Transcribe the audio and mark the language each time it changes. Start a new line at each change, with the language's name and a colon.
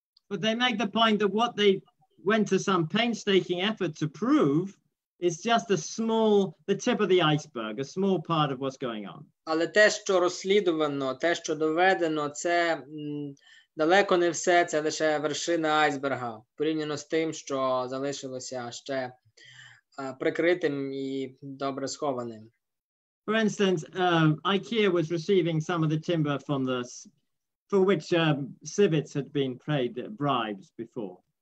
English: But they make the point that what they went to some painstaking effort to prove it's just the tip of the iceberg, a small part of what's going on.
Ukrainian: Але те, що розслідувано, те, що доведено, це далеко не все, це лише вершина айсберга, порівняно з тим, що залишилося ще прикритим і добре схованим.
English: For instance, IKEA was receiving some of the timber from the, for which civets had been paid bribes before.